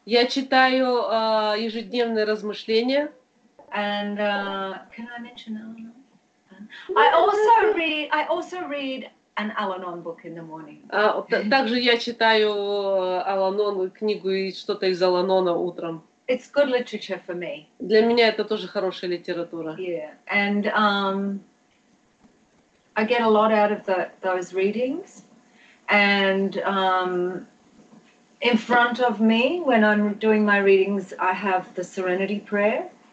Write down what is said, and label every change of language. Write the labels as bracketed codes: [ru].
[ru] Я читаю ежедневные размышления. [en] And can I mention Al-Anon? I also read an Al-Anon book in the morning. [ru] Также я читаю Al-Anon книгу и что-то из Al-Anon утром. [en] It's good literature for me. [ru] Для меня это тоже хорошая литература. [en] Yeah, and I get a lot out of those readings, and in front of me, when I'm doing my readings, I have the Serenity Prayer.